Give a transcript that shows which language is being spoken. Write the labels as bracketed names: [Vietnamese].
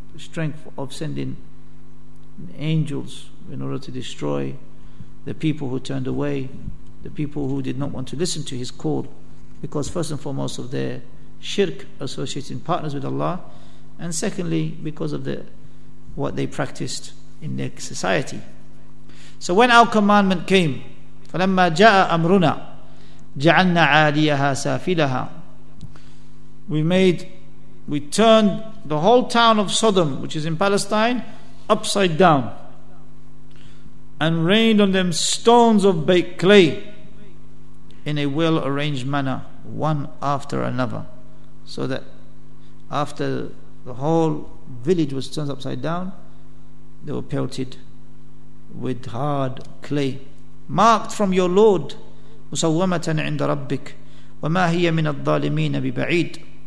[English] Strength of sending angels in order to destroy the people who turned away, the people who did not want to listen to his call, because first and foremost of their shirk, associating partners with Allah, and secondly because of what they practiced in their society. So when our commandment came, [Arabic] فَلَمَّا جَاءَ أَمْرُنَا جَعَلْنَا عَالِيَهَا سَافِلَهَا. [English] We turned the whole town of Sodom, which is in Palestine, upside down, and rained on them stones of baked clay in a well arranged manner, one after another, so that after the whole village was turned upside down, they were pelted with hard clay. Marked from your Lord, [Arabic] مُسَوَّمَةً عِنْدَ رَبِّكَ وَمَا هِيَ مِنَ الظَّالِمِينَ بِبَعِيدٍ.